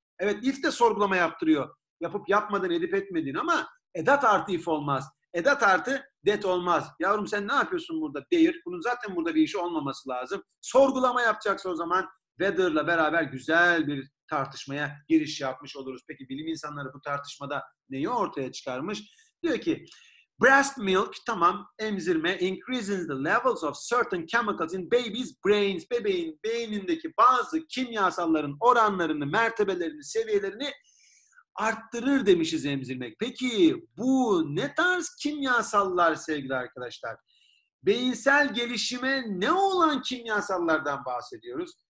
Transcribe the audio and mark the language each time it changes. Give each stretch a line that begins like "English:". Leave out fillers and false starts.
Turkish: Evet, if de sorgulama yaptırıyor. Yapıp yapmadığını, edip etmediğini, ama edat artı if olmaz. Edat artı det olmaz. Yavrum sen ne yapıyorsun burada? Deyir. Bunun zaten burada bir işi olmaması lazım. Sorgulama yapacaksa o zaman weather'la beraber güzel bir tartışmaya giriş yapmış oluruz. Peki bilim insanları bu tartışmada neyi ortaya çıkarmış? Diyor ki
English: breast milk,
Turkish: tamam, emzirme
English: increases the levels of certain chemicals in baby's brains.
Turkish: Bebeğin beynindeki bazı kimyasalların oranlarını, mertebelerini, seviyelerini arttırır demişiz emzirmek. Peki bu ne tarz kimyasallar sevgili arkadaşlar? Beyinsel gelişime ne olan kimyasallardan bahsediyoruz?